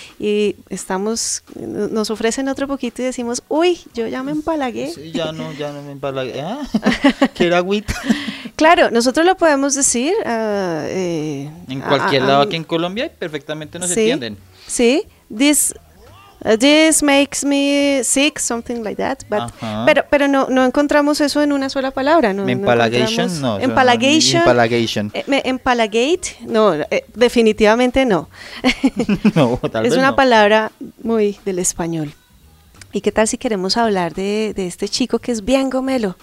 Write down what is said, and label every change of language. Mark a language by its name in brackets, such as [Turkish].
[Spanish] Y estamos, nos ofrecen otro poquito y decimos, uy, yo ya me empalagué. Sí, ya no me empalagué. ¿Eh? Quiero agüita. Claro, nosotros lo podemos decir. En cualquier lado aquí en Colombia perfectamente nos entienden. Sí, [English] this. This makes me sick, something like that, but uh-huh. [Spanish] pero no encontramos eso en una sola palabra, ¿no? Empalagation, no. Empalagation. Empalagation. Empalagate, no, definitivamente no. No, tal vez es una no. Palabra muy del español. ¿Y qué tal si queremos hablar de este chico que es bien gomelo?